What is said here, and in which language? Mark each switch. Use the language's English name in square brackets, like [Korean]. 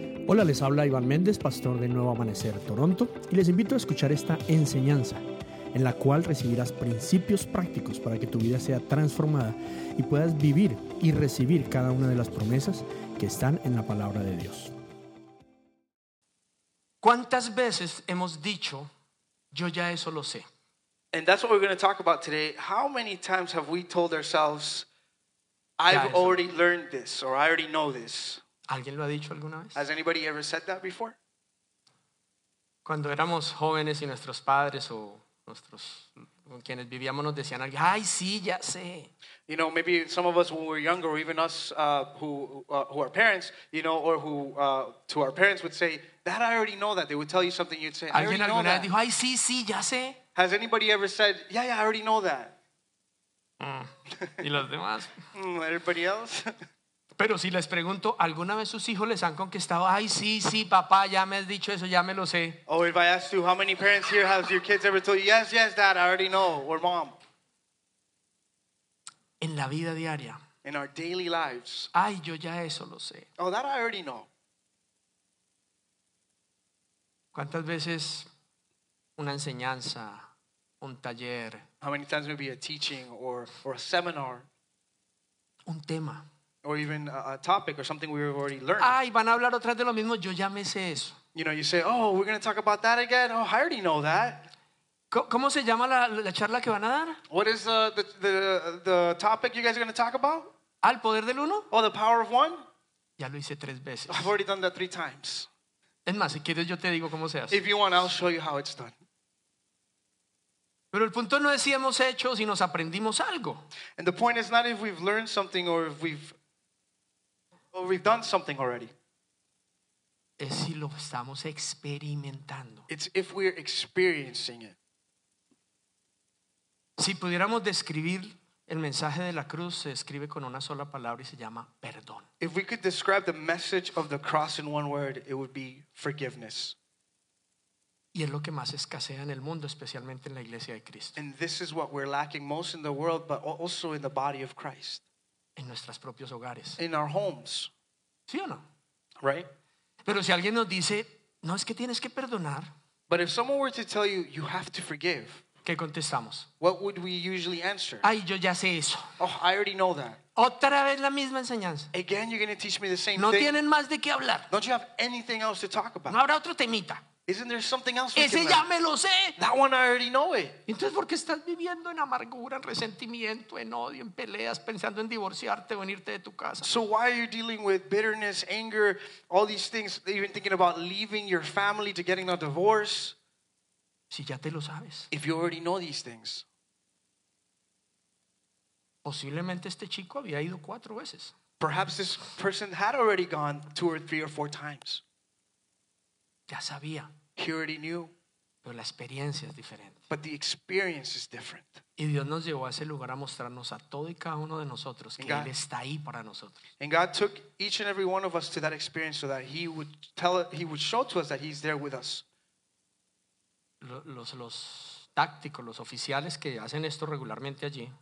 [Spanish] Hola, les habla Iván Méndez, pastor de Nuevo Amanecer, Toronto, y les invito a escuchar esta enseñanza en la cual recibirás principios prácticos para que tu vida sea transformada y puedas vivir y recibir cada una de las promesas que están en la palabra de Dios. ¿Cuántas veces hemos dicho, yo ya eso lo sé? [English] And that's what we're going to talk about today. How many times have we told ourselves, I've already learned this or I already know this? [Spanish] ¿Alguien lo ha dicho alguna vez? [English] Has anybody ever said that before? [Spanish] Cuando éramos jóvenes y nuestros padres o nuestros con quienes vivíamos nos decían, ay, sí, ya sé. [English] You know, maybe some of us when we were younger, or even us who are parents, you know, or who to our parents would say, that I already know that. They would tell you something, you'd say, I already know that. [Spanish] Dijo, ay, sí, sí, ya sé. [English] Has anybody ever said, yeah, yeah, I already know that? [Spanish] ¿Y los demás? [English] Everybody else? [Spanish] Pero si les pregunto, ¿alguna vez sus hijos les han conquistado? Ay, sí, sí, papá, ya me has dicho eso, ya me lo sé. [English] Oh, if I asked you, how many parents here have your kids ever told you, yes, yes, dad, I already know, or mom? [Spanish] En la vida diaria. [English] In our daily lives. [Spanish] Ay, yo ya eso lo sé. [English] Oh, that I already know. [Spanish] ¿Cuántas veces una enseñanza, un taller? [English] How many times maybe a teaching or a seminar? [Spanish] Un tema. [English] Or even a topic or something we've already learned. [Spanish] Ay, van a hablar otra vez de lo mismo. Yo ya me sé eso. [English] You know, you say, oh, we're going to talk about that again. Oh, I already know that. [Spanish] ¿Cómo se llama la charla que van a dar? [English] What is the topic you guys are going to talk about? [Spanish] Al poder del uno. [English] Oh, the power of one. [Spanish] Ya lo hice tres veces. [English] I've already done that three times. [Spanish] Es más, si quieres, yo te digo cómo se hace. [English] If you want, I'll show you how it's done. [Spanish] Pero el punto no es si hemos hecho, si nos aprendimos algo. [English] And the point is not if we've learned something or if we've done something already. [Spanish] Es si lo estamos experimentando. [English] It's if we're experiencing it. [Spanish] Si pudiéramos describir el mensaje de la cruz, se escribe con una sola palabra y se llama perdón. [English] If we could describe the message of the cross in one word, it would be forgiveness. [Spanish] Y es lo que más escasea en el mundo, especialmente en la iglesia de Cristo. [English] And this is what we're lacking most in the world, but also in the body of Christ. [Spanish] En nuestros propios hogares. [English] In our homes. [Spanish] ¿Sí o no? [English] Right? [Spanish] Pero si alguien nos dice, no, es que tienes que perdonar. [English] But if someone were to tell you, you have to forgive. [Spanish] ¿Qué contestamos? [English] What would we usually answer? [Spanish] Ay, yo ya sé eso. [English] Oh, I already know that. [Spanish] Otra vez la misma enseñanza. [English] Again, you're going to teach me the same [Spanish] no [English] thing. [Spanish] No tienen más de qué hablar. [English] Don't you have anything else to talk about? [Spanish] No habrá otro temita. [English] Isn't there something else we [Spanish] ese [English] can [Spanish] ya me lo sé. [English] That one I already know it. [Spanish] Entonces, ¿por qué estás viviendo en amargura, en resentimiento, en odio, en peleas, pensando en divorciarte o en irte de tu casa? [English] So why are you dealing with bitterness, anger, all these things, even thinking about leaving your family to getting a divorce? [Spanish] Si ya te lo sabes. [English] If you already know these things. [Spanish] Posiblemente este chico había ido cuatro veces. [English] Perhaps this person had already gone two or three or four times. [Spanish] Ya sabía. [English] He already knew. [Spanish] Pero la experiencia es diferente. [English] But the experience is different. [Spanish] Y Dios nos llevó a ese lugar a mostrarnos a todo y cada uno de nosotros que Él está ahí para nosotros. [English] And God took each and every one of us to that experience so that He would show to us that He's there with us. [Spanish] Los tácticos, los oficiales que hacen esto regularmente allí.